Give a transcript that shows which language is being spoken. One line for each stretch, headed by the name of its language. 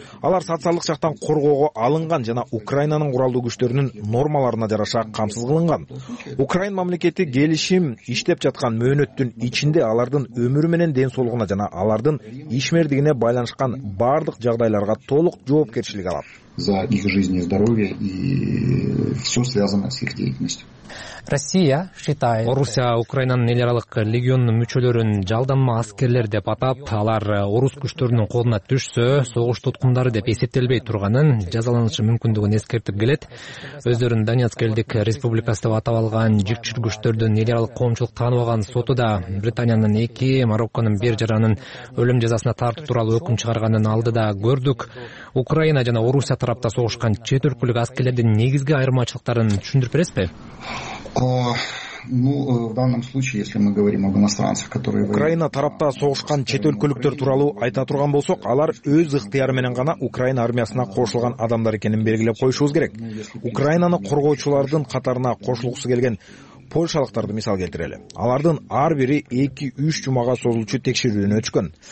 Kyrgyz: Алар социалдык жактан коргоого алынган жана Украинанын куралдуу күчтөрүнүн нормаларына жараша камсыз кылынган. Украин мамлекети келишим иштеп жаткан мөөнөттүн ичинде алардын өмүрү менен ден соолугуна жана алардын ишмердигине байланышкан баардык жагдайларга толук жоопкерчилик алат.
Russian: За их жизнь и здоровье и все связанное с их деятельностью. Россия считает.
Kyrgyz: Орусия Украинанын эл аралык легионунун мүчөлөрүн жалданма аскерлер деп атап, алар орус күчтөрүнүн колуна түшсө, согуш туткундары деп эсептелбей турганын, жазаланышы мүмкүндүгүн эскертип келет. Өздөрүн Донецк элдик республикасы деп атап алган жүкчүр күчтөрдүн эл аралык коомчулук таанып алган соту да Британиянын 2, Марокконун 1 жаранын өлүм жазасына тартуу тууралуу өкүм чыгарганын алдыда көрдүк. Украина жана Орусия тарапта согушкан чет өлкөлүк аскерлердин негизги айырмачылыктарын түшүндүрүп бересизби?
Russian: Ну, в данном случае, если мы говорим об иностранцах, которые...
Kyrgyz: Украина тарапта согушкан чет өлкөлүктөр тууралуу айта турган болсок, алар өз ыктыяры менен гана Украина армиясына кошулган адамдар экенин белгилеп коюшубуз керек. Украинаны коргоочулардын катарына кошулгусу келген Польшалыктарды мисал келтирели. Алардын ар бири 2-3 жумага созулчу текшерүүнү өчкөн.